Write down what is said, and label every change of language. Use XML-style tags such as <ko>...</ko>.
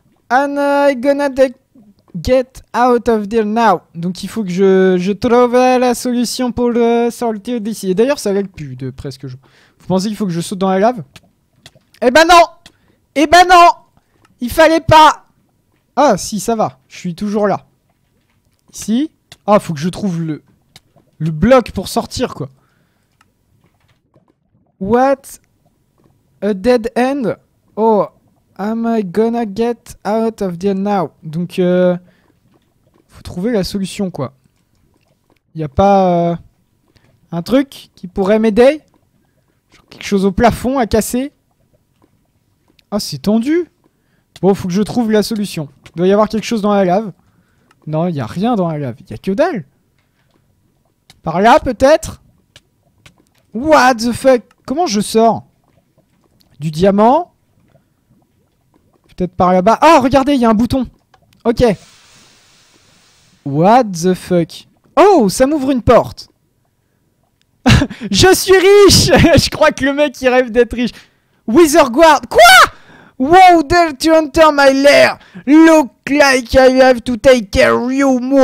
<en>And I gonna get out of there now.</en> <fr>Donc il faut que je trouve la solution pour le sortir d'ici. Et d'ailleurs ça l'aide plus de presque... Vous pensez qu'il faut que je saute dans la lave? Eh ben non! Eh ben non! Il fallait pas. Ah si, ça va. Je suis toujours là. Ici. Ah, faut que je trouve le bloc pour sortir, quoi.</fr> <en>What? A dead end? Oh, Am I gonna get out of there now?</en> <fr>Donc, faut trouver la solution, quoi. Y a pas un truc qui pourrait m'aider? Quelque chose au plafond à casser? Ah, c'est tendu! Bon, faut que je trouve la solution. Il doit y avoir quelque chose dans la lave. Non, y a rien dans la lave. Y a que dalle. Par là, peut-être?</fr> <en>What the fuck?</en> <fr>Comment je sors? Du diamant? Peut-être par là-bas. Oh, regardez, il y a un bouton. Ok.</fr> <en>What the fuck?</en> <fr>Oh, ça m'ouvre une porte. Je suis riche. Je crois que le mec, il rêve d'être riche.</fr> <en>Wither Guard.</en> <fr>Quoi?</fr> <en>Wow, dare to enter my lair. Look like I have to take care of you.</en>